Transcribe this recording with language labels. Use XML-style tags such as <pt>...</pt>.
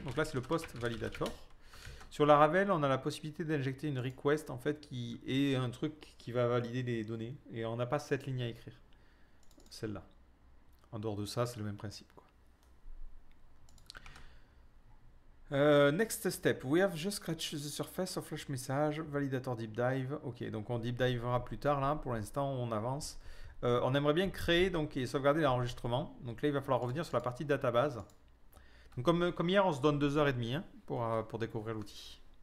<fr>Donc là, c'est le post validator. Sur Laravel, on a la possibilité d'injecter une request en fait qui est un truc qui va valider des données. Et on n'a pas cette ligne à écrire. Celle-là. En dehors de ça, c'est le même principe, quoi.</fr> <en>Next step. We have just scratched the surface of flush message. Validator deep dive.</en> <fr>Ok, donc on deep divera plus tard là. Pour l'instant, on avance. On aimerait bien créer donc, et sauvegarder l'enregistrement. Donc là, il va falloir revenir sur la partie database. Donc comme hier, on se donne 2h30 hein, pour découvrir l'outil.</fr>